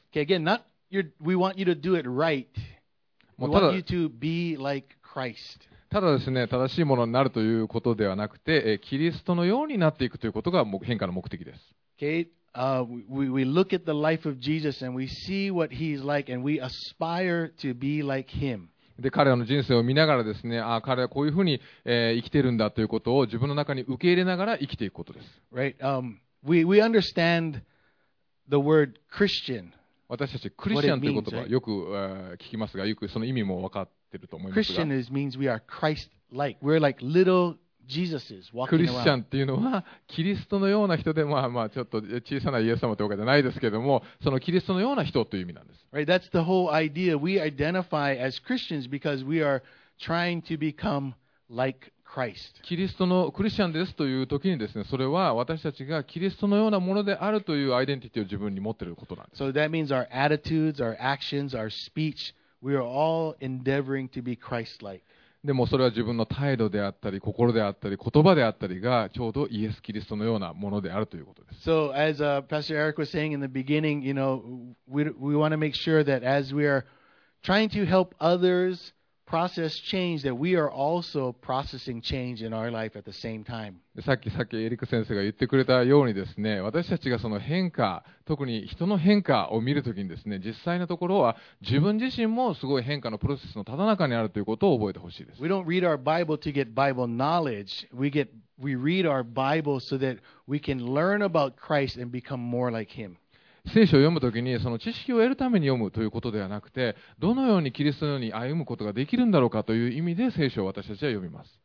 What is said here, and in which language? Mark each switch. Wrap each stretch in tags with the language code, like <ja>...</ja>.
<en>Okay. Again, not your, we want you to do it right. We want you to be like Christ.</en> <ja>ただですね、正しいものになるということではなくて、キリストのようになっていくということが変化の目的です。</ja> <en>Okay. We look at the life of Jesus and we see what he's like and we aspire to be like him.</en> <ja>で、彼の人生を見ながらですね、あ、彼はこういうふうに、生きているんだということを自分の中に受け入れながら生きていくことです。</ja> <en>Right. We understand the word Christian.</en> <ja>私たちクリスチャンという言葉をよく聞きますが、よくその意味も分かっていると思いますが、</ja> <en>クリスチャン means we are Christ-like. We're like little Jesuses walking around.</en> <ja>クリスチャンというのはキリストのような人で、まあちょっと小さなイエス様というわけではないですけれども、そのキリストのような人という意味なんです。</ja> <en>Right, that's the whole idea. We identify as Christians because we are trying to become like Christ.</en> <ja>キリストのクリスチャンですという時にですね、それは私たちがキリストのようなものであるというアイデンティティを自分に持っていることなんです。</ja> <en>So that means our attitudes, our actions, our speech, we are all endeavoring to be Christ-like.</en> <ja>でもそれは自分の態度であったり、心であったり、言葉であったりがちょうどイエス・キリストのようなものであるということです。</ja> <en>So as Pastor Eric was saying in the beginning, you know, we want to make sure that as we are trying to help others,process change that we are also processing change in our life at the same time.</en> <ja>さっきエリック先生が言ってくれたようにですね、私たちがその変化、特に人の変化を見るときにですね、実際のところは自分自身もすごい変化のプロセスのただ中にあるということを覚えてほしいです。</ja> <en>We don't read our Bible to get Bible knowledge. We read our Bible so that we can learn about Christ and become more like Him.</en> <ja>聖書を読むときにその知識を得るために読むということではなくて、どのようにキリストのように歩むことができるんだろうかという意味で聖書を私たちは読みます。</ja>